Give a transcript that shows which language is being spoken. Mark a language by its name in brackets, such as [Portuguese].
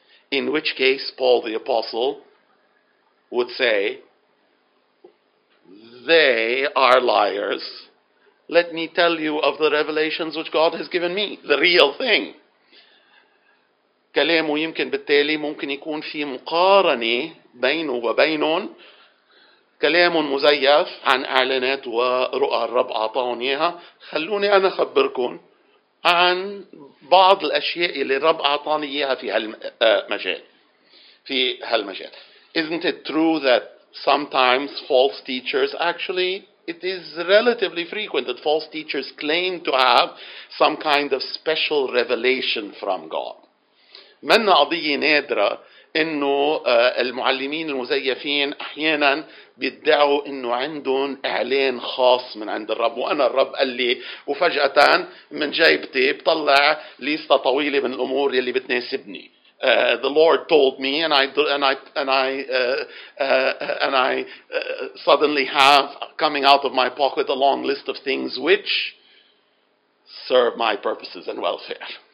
[English] In which case, Paul the Apostle would say, they are liars. Let me tell you of the revelations which God has given me. The real thing. [Arabic] كلامه يمكن بالتالي ممكن يكون في مقارنة بينه وبينهم. كلام مزيف عن إعلانات ورؤى الرب أعطاني إياها. خلوني أنا أخبركم عن بعض الأشياء اللي الرب أعطاني إياها في هالمجال. في هالمجال. [English] Isn't it true that sometimes false teachers, actually, it is relatively frequent that false teachers claim to have some kind of special revelation from God. [Arabic] منا قضية نادرة إنه المعلمين المزيفين أحيانا بيدعوا إنه عندهم إعلان خاص من عند الرب وأنا الرب قال لي وفجأة من جيبتي بطلع ليستة طويلة من الأمور يلي بتناسبني. [English] The Lord told me, and I suddenly have coming out of my pocket a long list of things which serve my purposes and welfare.